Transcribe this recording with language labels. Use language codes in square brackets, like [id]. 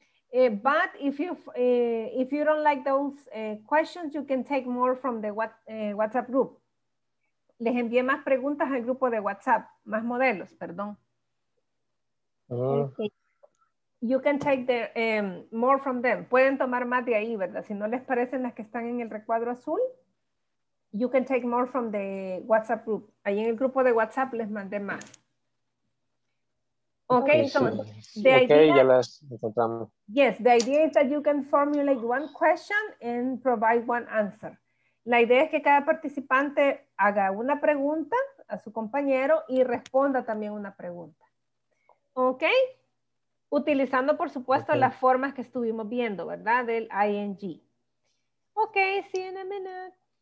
[en] But if you don't like those questions, you can take more from the WhatsApp group. [es] Les envié más preguntas al grupo de WhatsApp, más modelos, perdón. [en] Okay. You can take the, more from them. [es] Pueden tomar más de ahí, ¿verdad? Si no les parecen las que están en el recuadro azul, [en] you can take more from the WhatsApp group. [es] Ahí en el grupo de WhatsApp les mandé más. Okay, sí, sí. Okay, ya las encontramos. [en] Yes, the idea is that you can formulate one question and provide one answer. [es] La idea es que cada participante haga una pregunta a su compañero y responda también una pregunta. Ok. Utilizando, por supuesto, okay, las formas que estuvimos viendo, ¿verdad? Del ING. [en] Ok, see you in a minute.